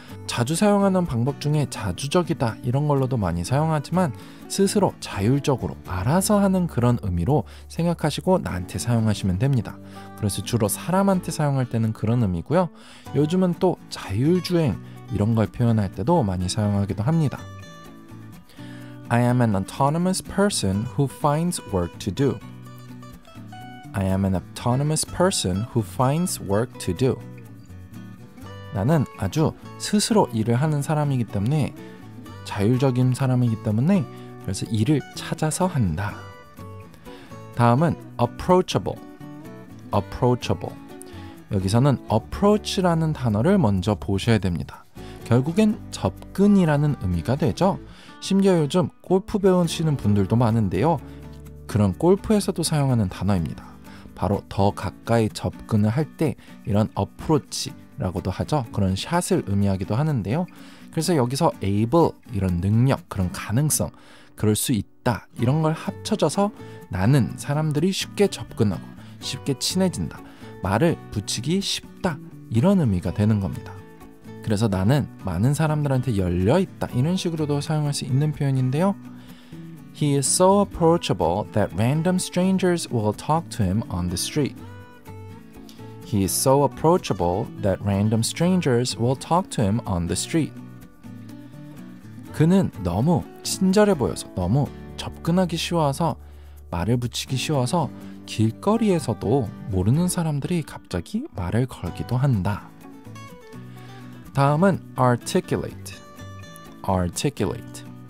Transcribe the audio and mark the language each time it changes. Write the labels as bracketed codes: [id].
[ko] 자주 사용하는 방법 중에 자주적이다 이런 걸로도 많이 사용하지만 스스로 자율적으로 알아서 하는 그런 의미로 생각하시고 나한테 사용하시면 됩니다. 그래서 주로 사람한테 사용할 때는 그런 의미고요. 요즘은 또 자율주행 이런 걸 표현할 때도 많이 사용하기도 합니다. [en] I am an autonomous person who finds work to do. I am an autonomous person who finds work to do. [ko] 나는 아주 스스로 일을 하는 사람이기 때문에 자율적인 사람이기 때문에 그래서 일을 찾아서 한다. 다음은 approachable. approachable. 여기서는 approach라는 단어를 먼저 보셔야 됩니다. 결국엔 접근이라는 의미가 되죠. 심지어 요즘 골프 배우시는 분들도 많은데요. 그런 골프에서도 사용하는 단어입니다. 바로 더 가까이 접근을 할 때 이런 어프로치라고도 하죠. 그런 샷을 의미하기도 하는데요. 그래서 여기서 able, 이런 능력, 그런 가능성, 그럴 수 있다 이런 걸 합쳐져서 나는 사람들이 쉽게 접근하고 쉽게 친해진다, 말을 붙이기 쉽다 이런 의미가 되는 겁니다. 그래서 나는 많은 사람들한테 열려있다 이런 식으로도 사용할 수 있는 표현인데요. [en] He is so approachable that random strangers will talk to him on the street. He is so approachable that random strangers will talk to him on the street. [ko] 그는 너무 친절해 보여서, 너무 접근하기 쉬워서, 말을 붙이기 쉬워서 길거리에서도 모르는 사람들이 갑자기 말을 걸기도 한다. 다음은 articulate. articulate.